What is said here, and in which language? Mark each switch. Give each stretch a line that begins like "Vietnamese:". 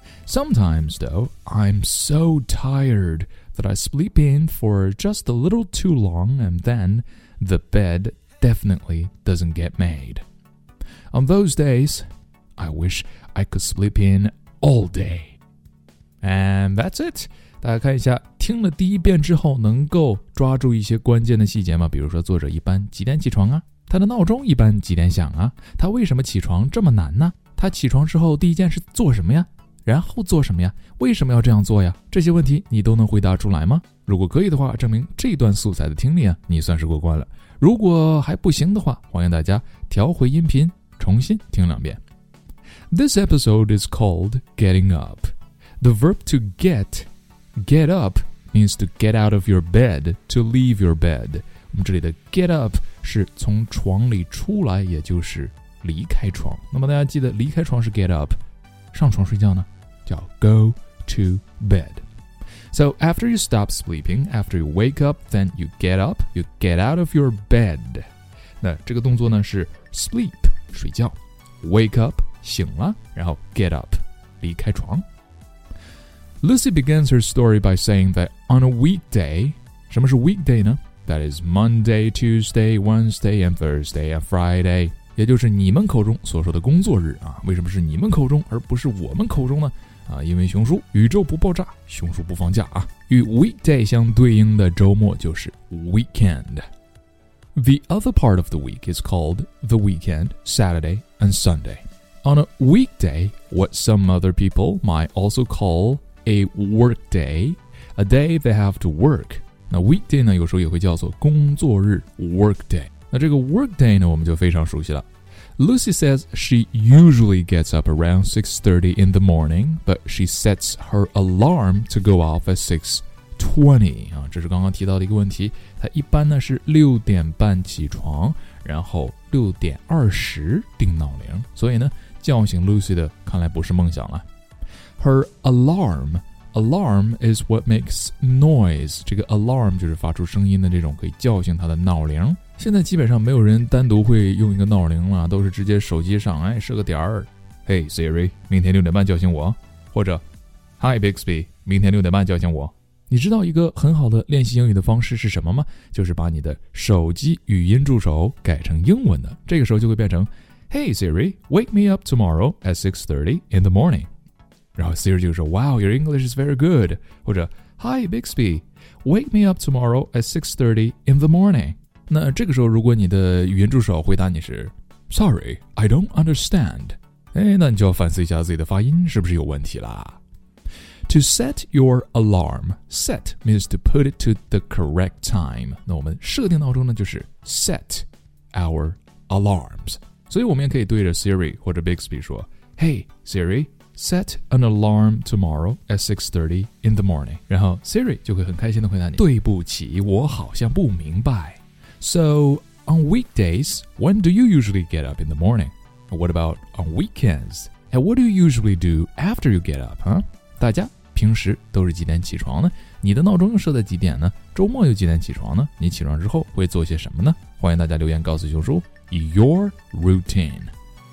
English: Sometimes, though, I'm so tired that I sleep in for just a little too long, and then the bed definitely doesn't get made. On those days, I wish I could sleep in all day. And that's it.
Chinese: 大家看一下，听了第一遍之后能够抓住一些关键的细节吗？比如说作者一般几点起床啊？他的闹钟一般几点响啊？他为什么起床这么难呢？他起床之后第一件事做什么呀？然后做什么呀？为什么要这样做呀？这些问题你都能回答出来吗？如果可以的话，证明这段素材的听力啊，你算是过关了。如果还不行的话，欢迎大家调回音频，重新听两遍。
English: This episode is called Getting Up. The verb to get up means to get out of your bed, to leave your bed.
Chinese: 我们这里的 get up 是从床里出来，也就是离开床。那么大家记得离开床是 get up， 上床睡觉呢叫 go to bed。
English: So after you stop sleeping, after you wake up, then you get up, you get out of your bed。
Chinese: 那这个动作呢是 sleep 睡觉， wake up 醒了，然后 get up 离开床。
English: Lucy begins her story by saying that on a weekday，
Chinese: 什么是 weekday 呢？
English: That is Monday, Tuesday, Wednesday, and Thursday, and Friday.
Chinese: 也就是你们口中所说的工作日啊。为什么是你们口中而不是我们口中呢？啊，因为熊叔，宇宙不爆炸，熊叔不放假啊。与 weekday 相对应的周末就是 weekend.
English: The other part of the week is called the weekend, Saturday, and Sunday. On a weekday, what some other people might also call a work day, a day they have to work.
Chinese: 那 weekday 呢，有时候也会叫做工作日 workday。那这个 workday 呢，我们就非常熟悉了。
English: Lucy says she usually gets up around 6:30 in the morning, but she sets her alarm to go off at 6:20.
Chinese: 啊，这是刚刚提到的一个问题。她一般呢是六点半起床，然后六点二十定闹铃。所以呢，叫醒 Lucy 的看来不是梦想了。
English: Her alarm. Alarm is what makes noise.
Chinese: 这个 alarm 就是发出声音的这种可以叫醒他的闹铃。现在基本上没有人单独会用一个闹铃了，都是直接手机上，哎，设个点儿。 Hey Siri, 明天六点半叫醒我。或者 Hi Bixby, 明天六点半叫醒我。你知道一个很好的练习英语的方式是什么吗？就是把你的手机语音助手改成英文的。这个时候就会变成
English: Hey Siri, wake me up tomorrow at 6:30 in the morning.
Chinese: 然后 Siri 就说
English: Wow, your English is very good. 或者 Hi Bixby, wake me up tomorrow at 6:30 in the morning.
Chinese: 那这个时候如果你的语音助手回答你是
English: Sorry, I don't understand.
Chinese: 哎，那你就要反思一下自己的发音是不是有问题啦。
English: To set your alarm, set means to put it to the correct time.
Chinese: 那我们设定闹钟呢就是 set our alarms. 所以我们也可以对着 Siri 或者 Bixby 说
English: Hey Siri,Set an alarm tomorrow at 6:30 in the morning.
Chinese: 然后 Siri 就会很开心地回答你，对不起，我好像不明白。
English: So, on weekdays, when do you usually get up in the morning? What about on weekends? And what do you usually do after you get up, huh?
Chinese: 大家平时都是几点起床呢？你的闹钟又设在几点呢？周末又几点起床呢？你起床之后会做些什么呢？欢迎大家留言告诉熊叔
English: Your Routine